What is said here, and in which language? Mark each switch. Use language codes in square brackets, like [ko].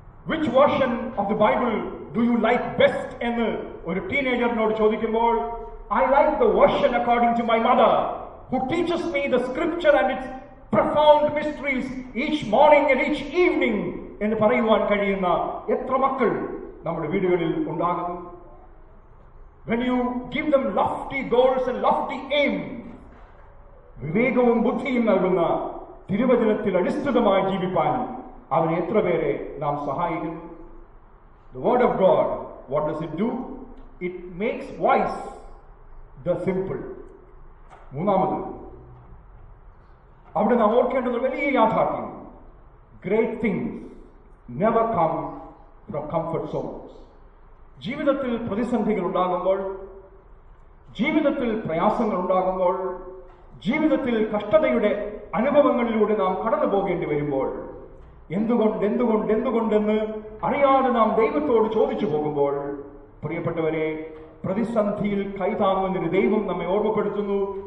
[en] Which version of the Bible do you like best [ml] എന്ന് ഒരു ടീനേജറിനോട് ചോദിക്കുമ്പോൾ, [en] I like the version according to my mother who teaches me the scripture and its profound mysteries each morning and each evening [ml] എന്ന് പറയുവാൻ കഴിയുന്ന എത്ര മക്കൾ നമ്മുടെ വീടുകളിൽ ഉണ്ടാകുന്നു. [en] When you give them lofty goals and lofty aims, [ml] വിവേകവും ബുദ്ധിയും നൽകുന്ന തിരുവചനത്തിൽ അടിസ്ഥിതമായി ജീവിപ്പാൻ അവരെ എത്ര പേരെ നാം സഹായിക്കുന്നു. [en] The word of God, what does it do? It makes wise the simple. [ml] മൂന്നാമത് അവിടെ നാം ഓർക്കേണ്ടത് വലിയ യാഥാർത്ഥ്യം, [en] Great things never come from comfort zones. [ml] ജീവിതത്തിൽ പ്രതിസന്ധികൾ ഉണ്ടാകുമ്പോൾ, ജീവിതത്തിൽ പ്രയാസങ്ങൾ ഉണ്ടാകുമ്പോൾ, ജീവിതത്തിൽ കഷ്ടതയുടെ അനുഭവങ്ങളിലൂടെ നാം കടന്നു പോകേണ്ടി വരുമ്പോൾ, എന്തുകൊണ്ടെന്ന് അറിയാതെ നാം ദൈവത്തോട് ചോദിച്ചു പോകുമ്പോൾ, പ്രിയപ്പെട്ടവരെ, പ്രതിസന്ധിയിൽ കൈതാങ്ങുന്ന ഒരു ദൈവം നമ്മെ ഓർമ്മപ്പെടുത്തുന്നു.